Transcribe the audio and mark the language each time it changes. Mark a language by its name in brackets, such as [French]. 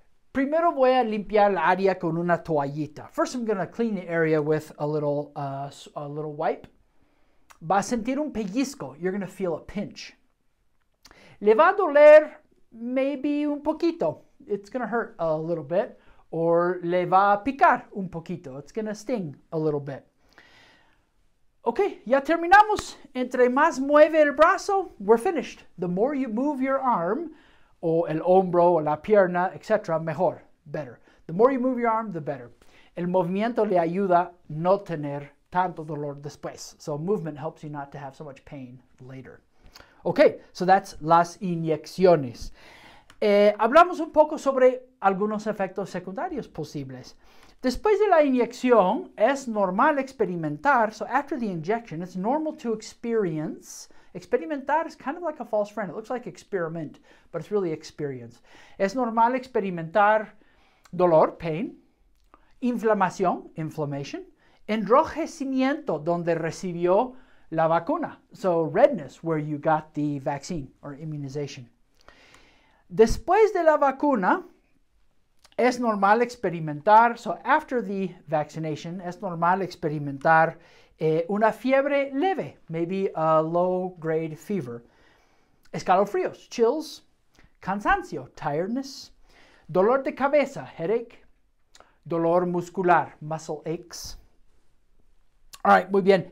[Spanish] Primero voy a limpiar el área con una toallita. [English] First, I'm going to clean the area with a little wipe. [Spanish] Va a sentir un pellizco. [English] You're going to feel a pinch. [Spanish] Le va a doler [English] maybe [Spanish] un poquito. [English] It's going to hurt a little bit. Or [Spanish] le va a picar un poquito. [English] It's going to sting a little bit. Okay, [Spanish] ya terminamos. Entre más mueve el brazo, [English] we're finished. The more you move your arm, [Spanish] o el hombro, o la pierna, etc., mejor, [English] better. The more you move your arm, the better. [Spanish] El movimiento le ayuda no tener tanto dolor después. [English] So movement helps you not to have so much pain later. Okay, so that's las inyecciones. [Spanish] Hablamos un poco sobre algunos efectos secundarios posibles. Después de la inyección, es normal experimentar. [English] So after the injection, it's normal to experience. Experimentar is kind of like a false friend. It looks like experiment, but it's really experience. [Spanish] Es normal experimentar dolor, pain, inflamación, inflammation, enrojecimiento, donde recibió la vacuna. [English] So redness, where you got the vaccine or immunization. [Spanish] Después de la vacuna, es normal experimentar, [English] so after the vaccination, [Spanish] es normal experimentar una fiebre leve, [English] maybe a low-grade fever, [Spanish] escalofríos, chills, cansancio, tiredness, dolor de cabeza, headache, dolor muscular, muscle aches. [English] All right, [Spanish] muy bien.